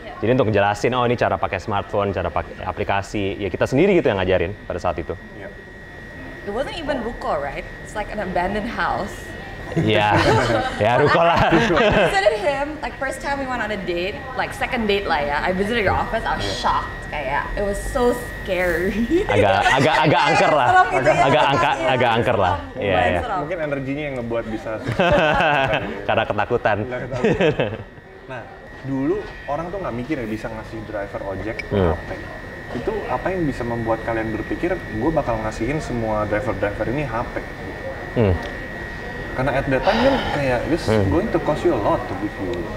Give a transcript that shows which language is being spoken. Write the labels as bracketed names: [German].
[Indonesian] Jadi untuk jelasin ini cara pakai smartphone, cara pakai aplikasi, ya kita sendiri gitu yang ngajarin pada saat itu. [English] It wasn't even ruko, right? It's like an abandoned house. [Indonesian] Ya ruko lah. [English] I visited him like first time we went on a date, like second date [Indonesian] lah ya. [English] I visited your office, I was shocked. Kayak it was so scary. [Indonesian] Agak angker lah. Agak angker lah. Iya. Yeah. Mungkin energinya yang ngebuat bisa karena ketakutan. Nah, dulu orang tuh enggak mikir ya bisa ngasih driver ojek HP. Itu apa yang bisa membuat kalian berpikir gue bakal ngasihin semua driver-driver ini HP? Karena [English] at that time [Indonesian] kan kayak [English] this going to cost you a lot to give you